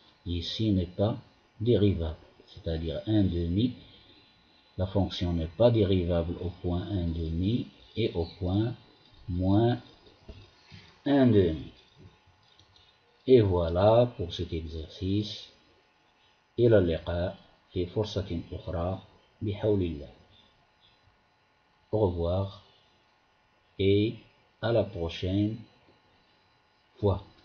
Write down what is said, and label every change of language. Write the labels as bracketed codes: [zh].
[fr] Ici n'est pas dérivable, c'est-à-dire 1 demi. La fonction n'est pas dérivable au point 1 demi et au point moins 1 demi. Et voilà pour cet exercice. [ar] إلى اللقاء في فرصة أخرى بحول الله. [fr] Au revoir et à la prochaine fois.